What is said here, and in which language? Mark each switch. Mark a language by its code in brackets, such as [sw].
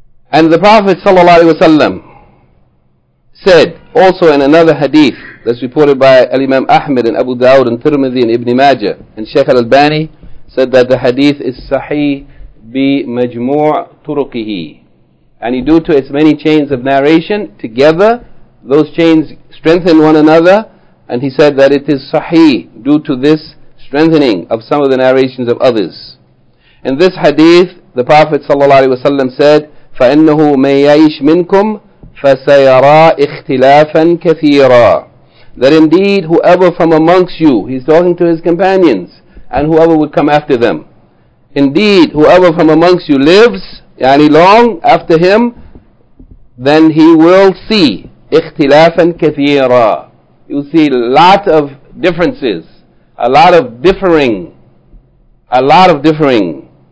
[en] And the Prophet ﷺ said also in another hadith that's reported by Imam Ahmed and Abu Dawud and Tirmidhi and Ibn Majah and Shaykh al-Albani, said that the hadith is [ar] sahih bi majmu' turukihi, [en] and due to its many chains of narration together, those chains strengthen one another, and he said that it is sahih due to this strengthening of some of the narrations of others. In this hadith, the Prophet ﷺ said, [ar] فَإِنَّهُ مَنْ يَعِيشْ مِنْكُمْ فَسَيَرَى إِخْتِلَافًا كَثِيرًا. [en] That indeed, whoever from amongst you, he's talking to his companions, and whoever would come after them, indeed, whoever from amongst you lives, yani long after him, then he will see [ar] إِخْتِلَافًا كَثِيرًا. [en] You'll see lot of differences, a lot of differing, a lot of differing.